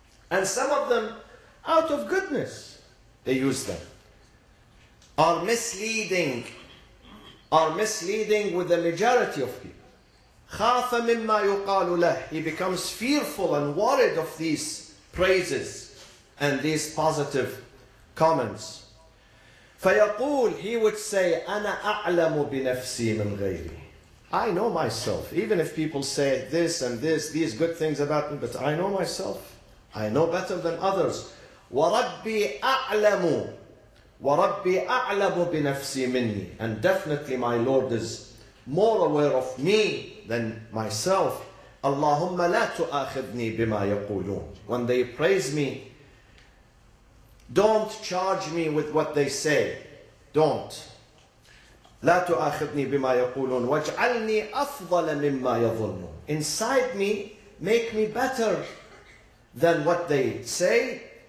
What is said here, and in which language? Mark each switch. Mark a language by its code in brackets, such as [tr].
[en] And some of them, out of goodness, they use them. Are misleading with the majority of people. [ar] خَافَ مِمَّا يُقَالُ لَهُ. [en] He becomes fearful and worried of these praises and these positive comments. [ar] فيقول, [en] he would say, [ar] أنا أعلم بنفسي من غيري. [en] I know myself. Even if people say this and this, these good things about me, but I know myself. I know better than others. [ar] وربي أعلم. وربي أعلم بنفسي مني. [en] And definitely my Lord is more aware of me than myself. [ar] اللهم لا تؤاخذني بما يقولون. [en] When they praise me, don't charge me with what they say. Don't. [ar] لا تؤاخذني بما يقولون. واجعلني أفضل مما يظنون. [en] Inside me, make me better than what they say.